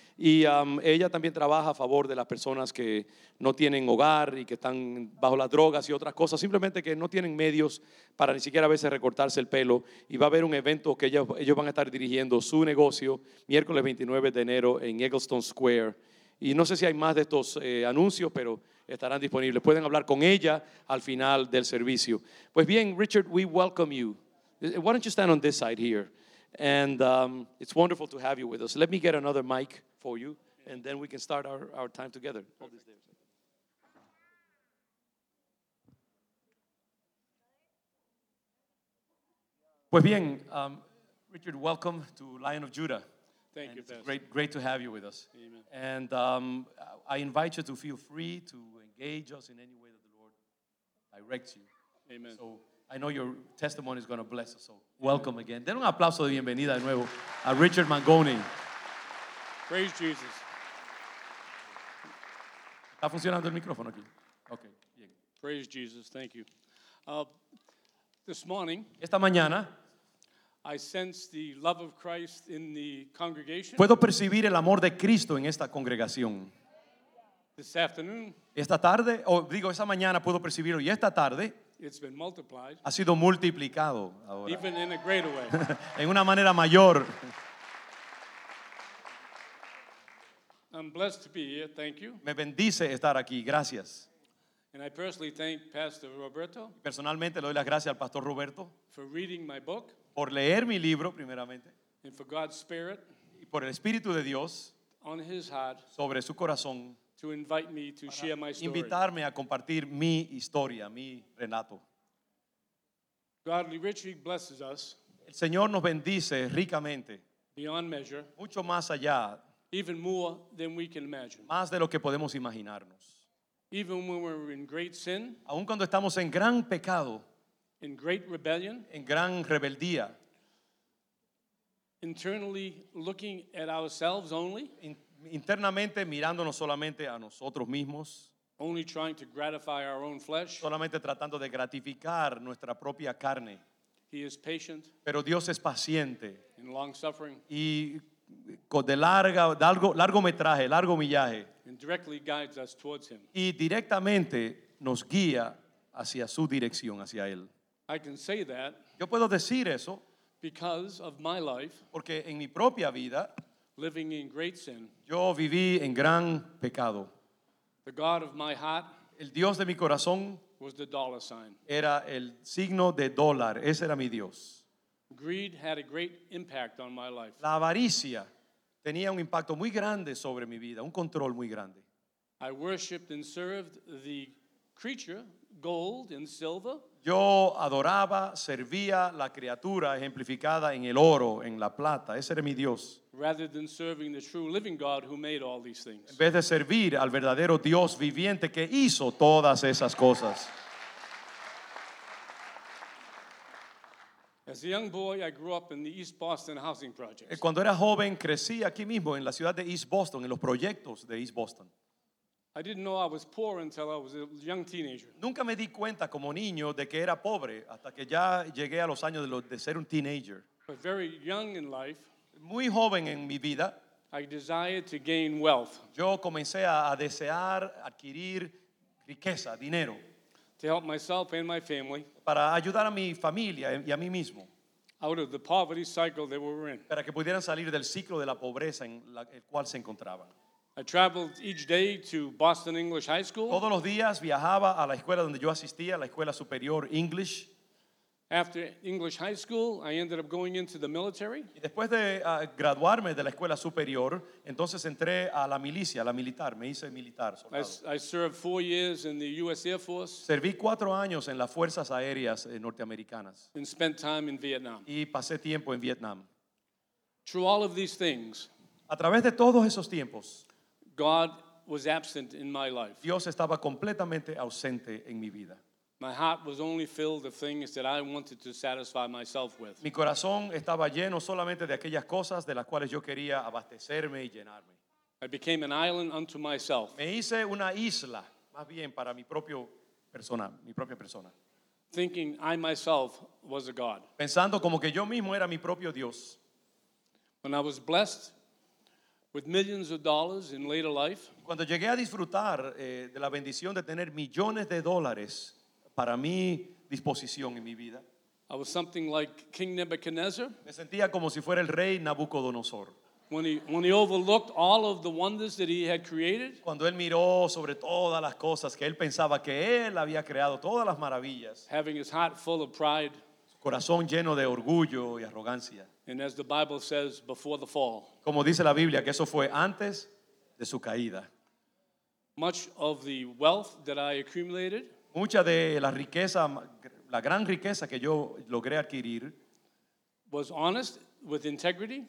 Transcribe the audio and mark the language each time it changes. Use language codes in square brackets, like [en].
[es] Y ella también trabaja a favor de las personas que no tienen hogar y que están bajo las drogas y otras cosas, simplemente que no tienen medios para ni siquiera a veces recortarse el pelo. Y va a haber un evento que ellos van a estar dirigiendo su negocio miércoles 29 de enero en Eggleston Square. Y no sé si hay más de estos anuncios, pero estarán disponibles. Pueden hablar con ella al final del servicio. Pues bien, [en] Richard, we welcome you. Why don't you stand on this side here? And it's wonderful to have you with us. Let me get another mic for you, and then we can start our time together. [es] Pues bien, [en] Richard, welcome to Lion of Judah. Thank you, Pastor. Great to have you with us. Amen. And I invite you to feel free to engage us in any way that the Lord directs you. Amen. So I know your testimony is going to bless us, so welcome again. [es] Den un aplauso de bienvenida de nuevo a Richard Mangone. [en] Praise Jesus. [es] ¿Está funcionando el micrófono aquí? Okay. Bien. [en] Praise Jesus. Thank you. This morning, [es] esta mañana, [en] I sense the love of Christ in the congregation. [es] Puedo percibir el amor de Cristo en esta congregación. [en] This afternoon, [es] esta tarde, o digo, esta mañana puedo percibirlo, y esta tarde, [en] it's been multiplied. [es] Ha sido multiplicado ahora. [en] Even in a greater way. [es] En una manera mayor. [en] I'm blessed to be here. Thank you. [es] Me bendice estar aquí. Gracias. [en] And I personally thank Pastor Roberto. [es] Personalmente le doy las gracias al Pastor Roberto. [en] For reading my book. [es] Por leer mi libro primeramente. [en] And for God's Spirit. [es] Y por el Espíritu de Dios. [en] On his heart. [es] Sobre su corazón. [en] To invite me to share my story. [es] Invitarme a compartir mi historia, mi relato. [en] Godly Richie blesses us. [es] El Señor nos bendice ricamente. [en] Beyond measure. [es] Mucho más allá. [en] Even more than we can imagine. [es] Más de lo que podemos imaginarnos. [en] Even when we're in great sin. [es] Aun cuando estamos en gran pecado. [en] In great rebellion. [es] En gran rebeldía. [en] Internally looking at ourselves only. [es] Internamente mirándonos solamente a nosotros mismos. [en] Only trying to gratify our own flesh. [es] Solamente tratando de gratificar nuestra propia carne. [en] He is patient. [es] Pero Dios es paciente. [en] And long suffering. [es] Y de largo millaje. [en] And directly guides us towards him. [es] Y directamente nos guía hacia su dirección, hacia él. [en] I can say that. [es] Yo puedo decir eso. [en] Because of my life. [es] Porque en mi propia vida. [en] Living in great sin. [es] Yo viví en gran pecado. [en] The God of my heart. [es] El Dios de mi corazón. [en] Was the dollar sign. [es] Era el signo de dólar. Ese era mi Dios. [en] Greed had a great impact on my life. [es] La avaricia tenía un impacto muy grande sobre mi vida, un control muy grande. [en] I worshipped and served the creature, gold and silver. [es] Yo adoraba, servía la criatura ejemplificada en el oro, en la plata. Ese era mi Dios. [en] Rather than serving the true living God who made all these things. [es] En vez de servir al verdadero Dios viviente que hizo todas esas cosas. [en] As a young boy, I grew up in the East Boston housing projects. [es] Cuando era joven, crecí aquí mismo en la ciudad de East Boston, en los proyectos de East Boston. [en] I didn't know I was poor until I was a young teenager. [es] Nunca me di cuenta como niño de que era pobre hasta que ya llegué a los años de ser un teenager. [en] But very young in life, [es] muy joven en mi vida, [en] I desired to gain wealth. [es] Yo comencé a desear adquirir riqueza, dinero. [en] To help myself and my family. [es] Para ayudar a mi familia y a mí mismo. [en] Out of the poverty cycle that we were in. [es] Para que pudieran salir del ciclo de la pobreza en el cual se encontraban. [en] I traveled each day to Boston English High School. [es] Todos los días viajaba a la escuela donde yo asistía, la escuela superior English. [en] After English High School, I ended up going into the military. [es] Y después de graduarme de la escuela superior, entonces entré a la milicia, a la militar, me hice militar, soldado. [en] I served 4 years in the U.S. Air Force. [es] Serví 4 años en las fuerzas aéreas norteamericanas. [en] And spent time in Vietnam. [es] Y pasé tiempo en Vietnam. [en] Through all of these things, [es] a través de todos esos tiempos, [en] God was absent in my life. [es] Dios estaba completamente ausente en mi vida. [en] My heart was only filled with things that I wanted to satisfy myself with. [es] Mi corazón estaba lleno solamente de aquellas cosas de las cuales yo quería abastecerme y llenarme. [en] I became an island unto myself. [es] Me hice una isla, más bien para mi propia persona. [en] Thinking I myself was a god. [es] Pensando como que yo mismo era mi propio Dios. [en] When I was blessed with millions of dollars in later life, [es] cuando llegué a disfrutar de la bendición de tener millones de dólares para mi disposición en mi vida, [en] I was something like King Nebuchadnezzar. [es] Me sentía como si fuera el rey Nabucodonosor. [en] When he overlooked all of the wonders that he had created, [es] cuando él miró sobre todas las cosas que él pensaba que él había creado, todas las maravillas, [en] having his heart full of pride, [es] corazón lleno de orgullo y arrogancia. [en] And as the Bible says, before the fall, [es] como dice la Biblia, que eso fue antes de su caída. [en] Much of the wealth that I accumulated, [es] mucha de la riqueza, la gran riqueza que yo logré adquirir, [en] was honest with integrity,